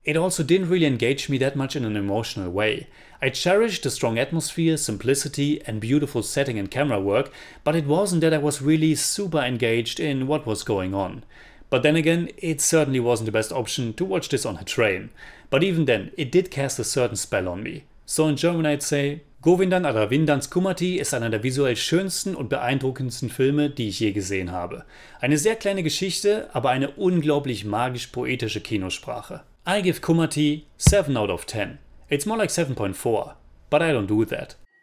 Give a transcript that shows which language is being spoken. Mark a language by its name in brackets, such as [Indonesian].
[English] It also didn't really engage me that much in an emotional way. I cherished the strong atmosphere, simplicity, and beautiful setting and camera work, but it wasn't that I was really super engaged in what was going on. But then again, it certainly wasn't the best option to watch this on a train. But even then, it did cast a certain spell on me. So in German I'd say, [German] Govindan Aravindans Kumati ist einer der visuell schönsten und beeindruckendsten Filme, die ich je gesehen habe. Eine sehr kleine Geschichte, aber eine unglaublich magisch-poetische Kinosprache. [English] I give Kumati 7 out of 10. It's more like 7.4, but I don't do that.